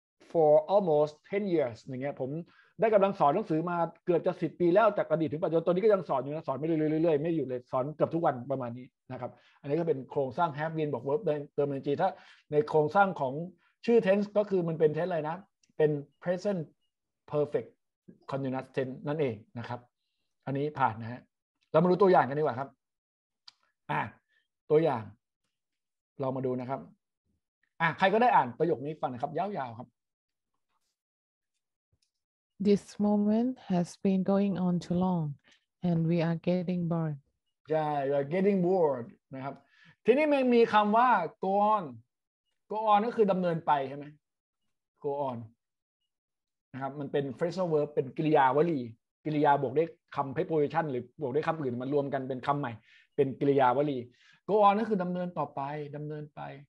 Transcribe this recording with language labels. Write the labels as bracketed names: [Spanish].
[English] for almost 10 years [Thai] อย่างเงี้ยผมได้กำลังสอนหนังสือมาเกือบจะ10ปีแล้วจากอดีตถึงปัจจุบันตอนนี้ก็ยังสอนอยู่นะสอนไม่เรื่อยๆไม่หยุดเลยสอนเกือบทุกวันประมาณนี้นะครับอันนี้ก็เป็นโครงสร้าง have been บวก verb เติม ing ถ้าในโครงสร้างของชื่อ tense ก็คือมันเป็น tense อะไรนะเป็น present perfect continuous tense นั่นเองนะครับอันนี้ผ่านนะฮะเรามาดูตัวอย่างกันดีกว่าครับตัวอย่างเรามาดูนะครับใครก็ได้อ่านประโยคนี้ฟังนะครับยาวๆครับ [English] This moment has been going on too long and we are getting bored Yeah, we are getting bored [Thai] นะครับทีนี้มันมีคำว่า go on ก็คือดำเนินไปใช่ไหม go onนะครับมันเป็น phrasal verb เป็นกริยาวลีกริยาบวกด้วยคำ preposition หรือบวกด้วยคำอื่นมันรวมกันเป็นคำใหม่เป็นกริยาวลี go on นั่นคือดำเนินต่อไปดำเนินไป